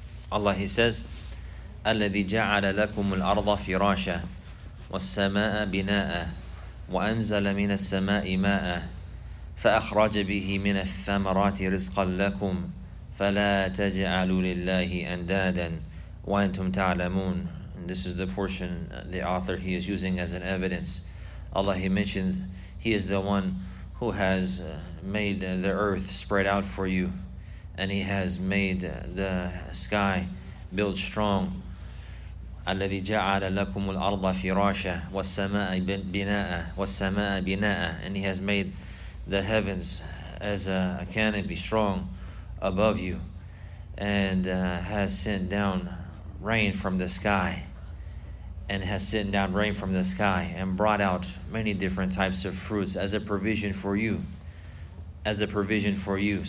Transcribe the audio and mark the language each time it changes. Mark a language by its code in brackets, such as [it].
[en] Allah, he says, [ar] الَّذِي جَعَلَ لَكُمُ الْأَرْضَ فِرَاشًا وَالسَّمَاءَ بِنَاءً وَأَنزَلَ مِنَ السَّمَاءِ مَاءً فأخرج به من الثمرات رزقا لكم فلا تجعلوا لله أندادا وأنتم تعلمون. [en] And this is the portion the author he is using as an evidence. Allah, he mentions, he is the one who has made the earth spread out for you, and he has made the sky built strong. [ar] الذي جعل لكم الأرض فراشا والسماء بناء والسماء بناء. [en] And he has made the heavens as a canopy strong above you, and has sent down rain from the sky, and has sent down rain from the sky and brought out many different types of fruits as a provision for you, as a provision for you.